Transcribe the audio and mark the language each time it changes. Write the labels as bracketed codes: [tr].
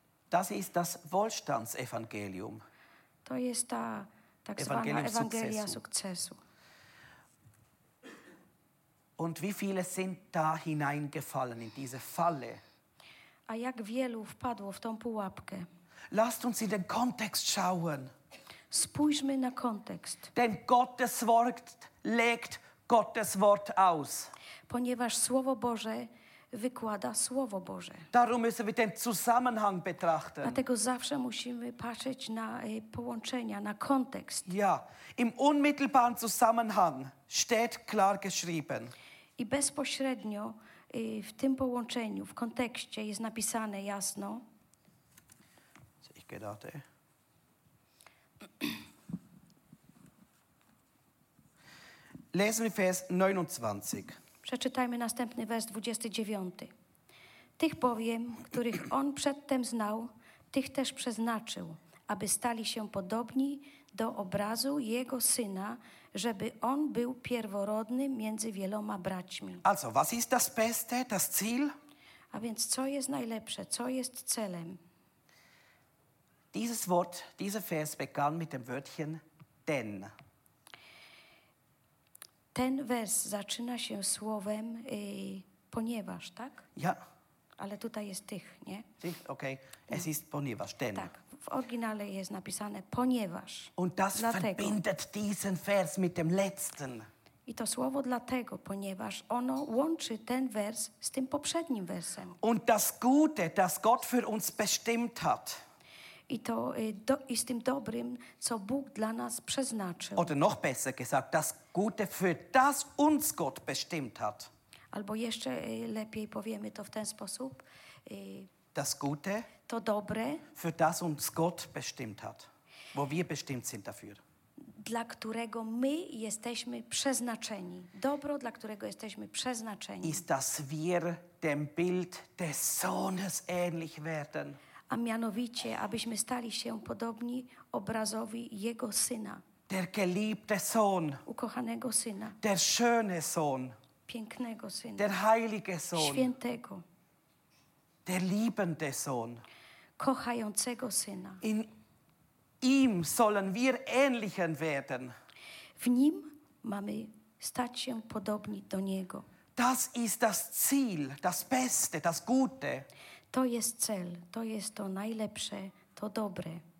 [de] Das ist das Wohlstandsevangelium. [pl] To jest ta tak Evangelium zwana Ewangelia sukcesu. [de] Und wie viele sind da hineingefallen in diese Falle? [pl] A jak wielu wpadło w tą pułapkę? [de] Lasst uns in den Kontext schauen. [pl] Spójrzmy na kontekst. [de] Denn Gottes Wort legt Gottes Wort aus. [pl] Ponieważ Słowo Boże wykłada Słowo Boże. [de] Darum müssen wir den Zusammenhang betrachten. [pl] Dlatego zawsze musimy patrzeć na połączenia, na kontekst. [de] Ja, im unmittelbaren Zusammenhang steht klar geschrieben. [pl] I bezpośrednio w tym połączeniu, w kontekście jest napisane jasno. Co ich gedachte? [de] Lesen wir Vers 29. [pl] Przeczytajmy następny wers 29. Tych bowiem, których on przedtem znał, tych też przeznaczył, aby stali się podobni do obrazu jego syna, żeby on był pierworodny między wieloma braćmi. [de] Also, was ist das Beste, das Ziel? [pl] A więc co jest najlepsze, co jest celem? [de] Dieses Wort, dieser Vers begann mit dem Wörtchen denn. [pl] Ten wers zaczyna się słowem ponieważ, tak? [de] Ja. [pl] Ale tutaj jest tych, nie? Tych, okej. [de] Okay. Es ist ponieważ, denn. [pl] Tak, w oryginale jest napisane ponieważ. [de] Und das dlatego. Verbindet diesen Vers mit dem letzten. [pl] I to słowo dlatego, ponieważ ono łączy ten wers z tym poprzednim wersem. [de] Und das Gute, das Gott für uns bestimmt hat. [pl] I to i z tym dobrym, co Bóg dla nas przeznaczył. [de] Oder noch besser gesagt, das Gute, für das uns Gott bestimmt hat. [pl] Albo jeszcze lepiej powiemy to w ten sposób. [de] Das Gute, [pl] to dobre, [de] für das uns Gott bestimmt hat. Wo wir bestimmt sind dafür. [pl] Dla którego my jesteśmy przeznaczeni. Dobro, dla którego jesteśmy przeznaczeni. [de] Ist, dass wir dem Bild des Sohnes ähnlich werden. [pl] a mianowicie, abyśmy stali się podobni obrazowi Jego Syna. [de] Der geliebte Sohn. [pl] Ukochanego Syna. [de] Der schöne Sohn. [pl] Pięknego Syna. [de] Der heilige Sohn. [pl] Świętego. [de] Der liebende Sohn. [pl] Kochającego Syna. [de] In ihm sollen wir ähnlichen werden. [pl] W nim mamy stać się podobni do Niego. [de] Das ist das Ziel, das Beste, das Gute. [pl] To jest cel, to jest to najlepsze, to dobre.